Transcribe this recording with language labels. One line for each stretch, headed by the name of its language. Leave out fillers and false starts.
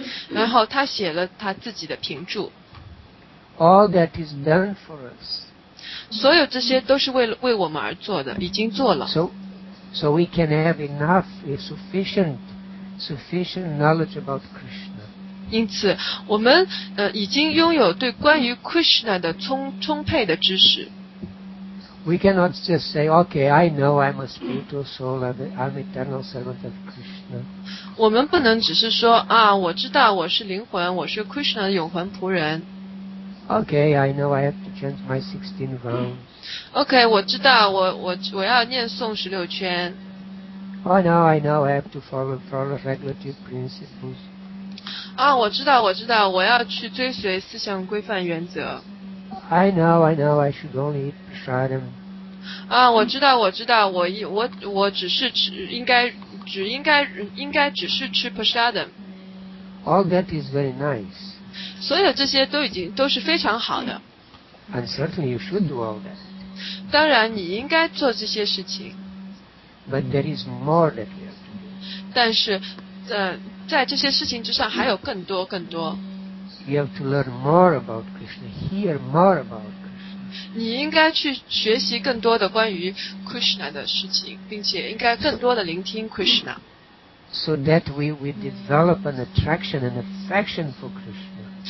Chinese: 然后他写了他自己的评注。
English: All that is done for us.
Chinese: 所有这些都是为我们而做的，已经做了。
English: So we can have sufficient knowledge about Krishna.
Chinese: 因此，我们已经拥有对关于 Krishna 的充沛的知识。
English: We cannot just say, okay, I know I'm a spiritual soul, I'm eternal servant of Krishna.
Chinese: 我们不能只是说啊，我知道我是灵魂，我是 Krishna 的永恒仆人。
English: Okay, I know I have to chant my 16 rounds.
Chinese: Okay, 我知道我要念诵十六圈。
English: Oh, now I know I have to follow regulative principles.
Chinese: 啊，我知道，我要去追随四项规范原则。
English: I know, I should only eat prasadam.
Chinese: 啊，我知道，我只是吃，应该只是吃 prasadam.
English: All that is very nice.
Chinese: 所有这些都是非常好的。
English: And certainly you should do all that.
Chinese: 当然你应该做这些事情。
English: But there is more that we have to do.
Chinese: 但是在这些事情之上还有更多。
English: You have to learn more about Krishna, hear more about Krishna.
Chinese: 你应该去学习更多的关于 Krishna 的事情，并且应该更多的聆听 Krishna.
English: So that we develop an attraction and affection for Krishna.